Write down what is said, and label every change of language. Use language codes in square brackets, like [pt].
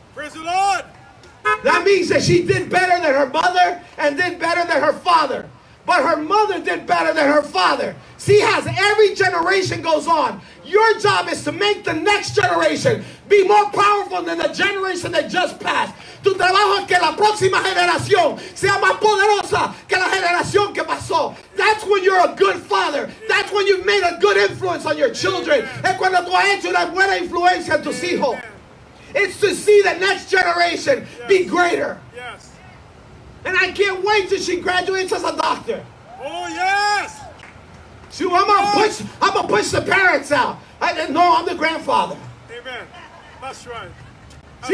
[en] Praise the Lord. That means that she did better than her mother and did better than her father. But her mother did better than her father. See, as every generation goes on, your job is to make the next generation be more powerful than the generation that just passed. [es] Tu trabajo es que la próxima generación sea más poderosa que la generación que pasó. [en] That's when you're a good father. That's when you've made a good influence on your children. [es] Es cuando tú has hecho una buena influencia en tus hijos. [en] It's to see the next generation be greater. Yes. And I can't wait till she graduates as a doctor. Oh, yes. So I'm gonna push the parents out. I didn't know I'm the grandfather. Amen. That's right. That's